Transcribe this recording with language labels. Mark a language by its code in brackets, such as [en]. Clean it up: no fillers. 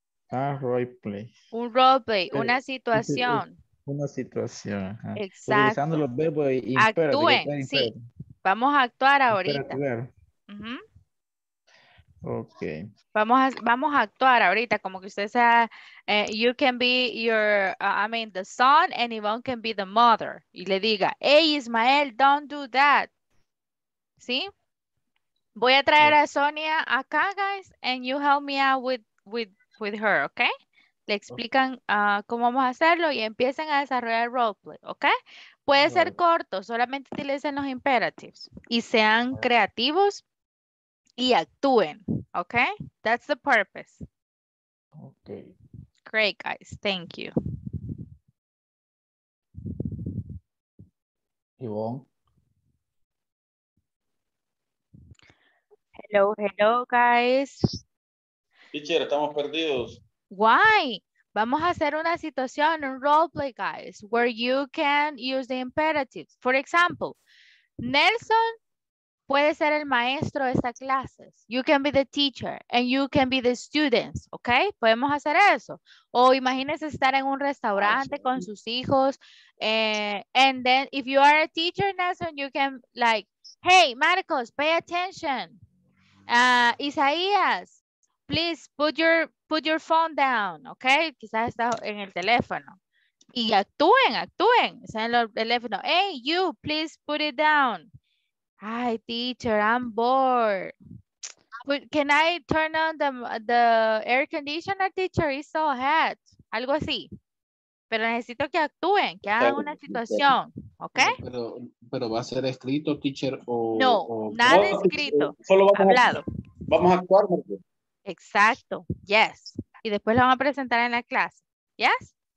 [en] Ah, role play. [es] Un role play, una situación. una situación. Ajá. Exacto. Utilizando los verbos y actúen. Sí. Vamos a actuar ahorita. [en] Okay. [es] Vamos a actuar ahorita como que usted sea. [en] You can be your, the son, and Yvonne can be the mother. [es] Y le diga, hey Ismael, [en] don't do that. [es] ¿Sí? Voy a traer a Sonia acá, [en] guys, and you help me out with her, okay? [es] Le explican cómo vamos a hacerlo y empiezan a desarrollar roleplay, okay? Puede ser corto, solamente utilicen los imperatives y sean creativos y actúen, okay? [en] That's the purpose. Okay. Great, guys. Thank you. Yvonne. Hello, hello, guys. [es] Teacher, estamos perdidos. [en] Why? [es] Vamos a hacer una situación, un roleplay, [en] guys, where you can use the imperatives. [es] For example, Nelson puede ser el maestro de esta clase. [en] You can be the teacher and you can be the students, okay? [es] Podemos hacer eso. O imagínense estar en un restaurante con sus hijos. [en] And then if you are a teacher, Nelson, you can like, hey, Marcos, pay attention. Isaías, please put your phone down, okay? [es] Quizás está en el teléfono. Y actúen, está en el teléfono. [en] Hey, you, please put it down. Ay, teacher, I'm bored. Can I turn on the air conditioner, teacher? It's so hot. [es] Algo así. Pero necesito que actúen, que hagan una situación, ¿ok? Pero va a ser escrito, teacher, o... No, o... nada no, escrito, solo vamos hablado. Vamos a actuar, porque... Exacto, yes. Y después lo van a presentar en la clase, yes.